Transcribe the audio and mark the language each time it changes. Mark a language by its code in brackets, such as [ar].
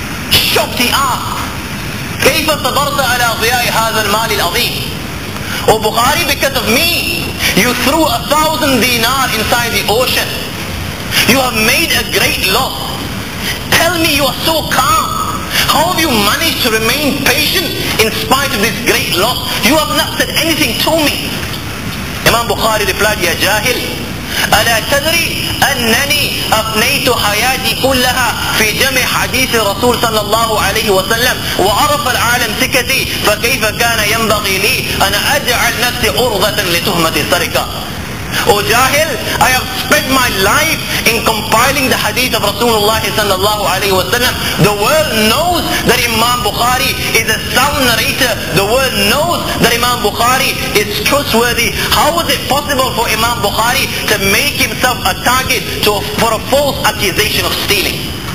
[en] Shocked, he asked, [ar] كَيْفَ صَبَرْتَ عَلَىٰ ضِيَاءِ هَذَا الْمَالِ الْعَظِيمِ, [en] O Bukhari, because of me, you threw 1,000 dinars inside the ocean. You have made a great loss. Tell me, you are so calm. How have you managed to remain patient in spite of this great loss? You have not said anything to me. Imam Bukhari replied, Ya Jahil, [ar] أَلَا تَدْرِي أَنَّنِي أَفْنَيْتُ حَيَاتِي كُلَّهَا فِي جَمْعِ حَدِيثِ الرَّسُولِ صَلَّى اللَّهُ عَلَيْهِ وَسَلَّمَ وَعَرَفَ الْعَالَمُ سِكَتِي فَكَيْفَ كَانَ يَنْبَغِي لِي أَنْ أَجْعَلَ نَفْسِي عُرْضَةً لِتُهْمَةِ السَّرِقَةِ. [en] O Jahil, I have spent my life in compiling the hadith of Rasulullah sallallahu alayhi wa sallam. The world knows that Imam Bukhari is a sound narrator. The world knows that Imam Bukhari is trustworthy. How was it possible for Imam Bukhari to make himself a target for a false accusation of stealing?